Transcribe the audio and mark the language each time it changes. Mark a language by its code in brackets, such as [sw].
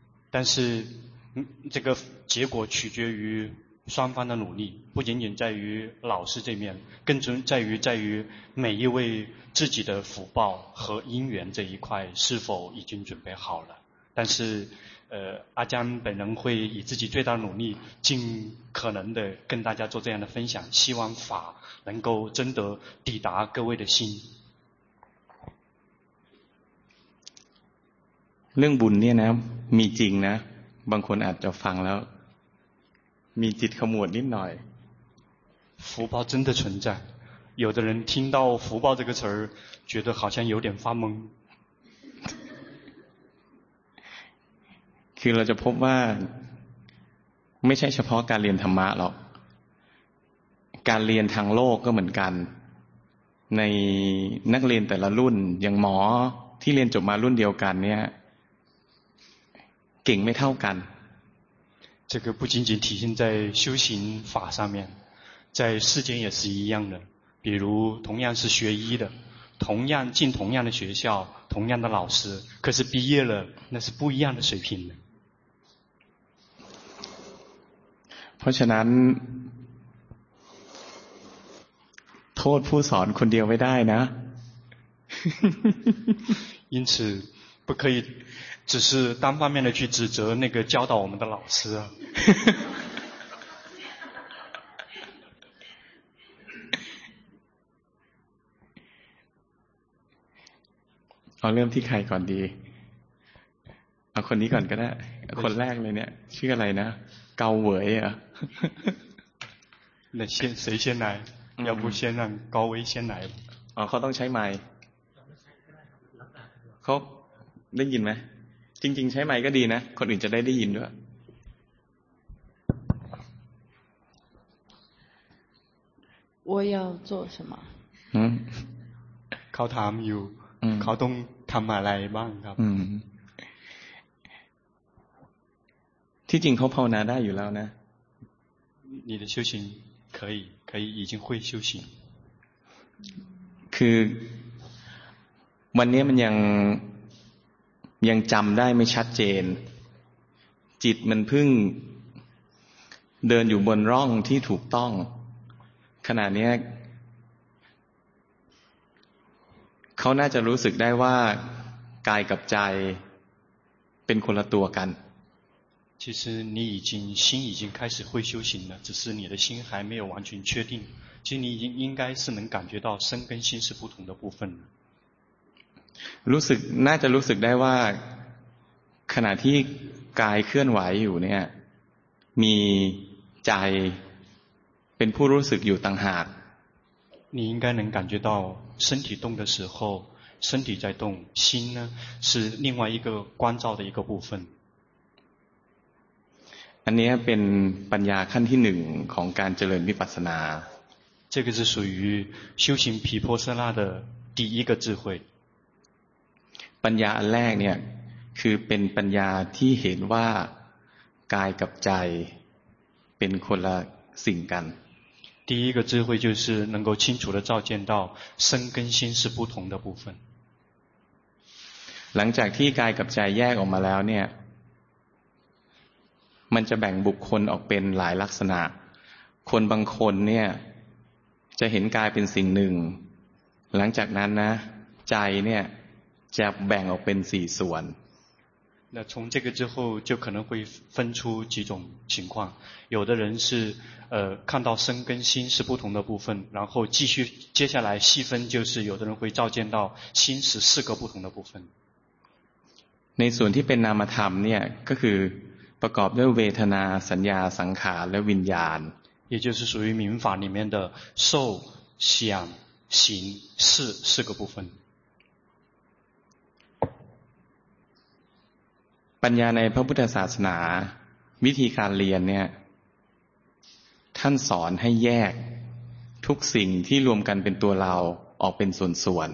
[zh] 但是这个结果取决于双方的努力不仅仅在于老师这面更重在于每一位自己的福报和因缘这一块是否已经准备好了但是阿江本人会以自己最大努力尽可能的跟大家做这样的分享希望法能够真的抵达各位的心 [th] เรื่องบุญเนี่ยนะมีจริงนะบางคนอาจจะฟังแล้วมีจิตขมวดนิดหน่อย [zh] 福报真的存在有的人听到福报这个词觉得好像有点发懵 [th] คือเราจะพบว่าไม่ใช่เฉพาะการเรียนธรรมะหรอกการเรียนทางโลกก็เหมือนกันในนักเรียนแต่ละรุ่นอย่างหมอที่เรียนจบมารุ่นเดียวกันเนี่ยเก่งไม่เท่ากัน [zh] 这个不仅仅体现在修行法上面在世间也是一样的，比如同样是学医的，同样进同样的学校，同样的老师，可是毕业了，那是不一样的水平的。 [th] เพราะฉะนั้นโทษผู้สอนคนเดียวไม่ได้นะ [zh] 因此不可以只是单方面的去指责那个教导我们的老师 [th] เอาเริ่มที่ใครก่อนดีเอาคนนี้ก่อนก็ได้คนแรกเลยเนี่ยชื่ออะไรนะเกาเหวย เหรอ [zh] 那先谁先来要不先让高威先来 [th] 哦เขาต้องใช้ไมค์เขาได้ยินไหมจริงๆใช้ไมค์ก็ดีนะคนอื่นจะได้ได้ยินด้วย ว่า [zh] 要做什么 เ [th] ขาถามอยู่ เขาต้องทำอะไรบ้างครับ ที่จริงเขาภาวนาได้อยู่แล้วนะ [zh] 你的修行可以可以已经会修行 [th] คือวันนี้มันยังจำได้ไม่ชัดเจนจิตมันเพิ่งเดินอยู่บนร่องที่ถูกต้องขณะนี้เขาน่าจะรู้สึกได้ว่ากายกับใจเป็นคนละตัวกัน [zh] 其实你已经心已经开始会修行了，只是你的心还没有完全确定。其实你已经应该是能感觉到身跟心是不同的部分了。 [th] รู้สึกน่าจะรู้สึกได้ว่าขณะที่กายเคลื่อนไหวอยู่เนี่ยมีใจเป็นผู้รู้สึกอยู่ต่างหาก。 [zh] 你应该能感觉到身体动的时候，身体在动，心呢是另外一个观照的一个部分。 [th] อันนี้เป็นปัญญาขั้นที่หนึ่งของการเจริญวิปัสสนา [zh] 这个是属于修行毗婆舍那的第一个智慧 [th] ปัญญาอันแรกเนี่ยคือเป็นปัญญาที่เห็นว่ากายกับใจเป็นคนละสิ่งกัน [zh] 第一个智慧就是能够清楚地照见到身跟心是不同的部分 [th] หลังจากที่กายกับใจแยกออกมาแล้วเนี่ยมันจะแบ่งบุคคลออกเป็นหลายลักษณะคนบางคนเนี่ยจะเห็นกายเป็นสิ่งหนึ่งหลังจากนั้นนะใจเนี่ยจะแบ่งออกเป็นสี่ส่วน [zh] 那从这个之后就可能会分出几种情况有的人是看到身跟心是不同的部分然后继续接下来细分就是有的人会照见到心是四个不同的部分 [th] ในส่วนที่เป็นนามธรรมเนี่ยก็คือประกอบด้วยเวทนาสัญญาสังขารและวิญญาณ [zh] 也就是属于民法里面的受想行识四个部分 [th] ปัญญาในพระพุทธศาสนาวิธีการเรียนเนี่ยท่านสอนให้แยกทุกสิ่งที่รวมกันเป็นตัวเราออกเป็นส่วน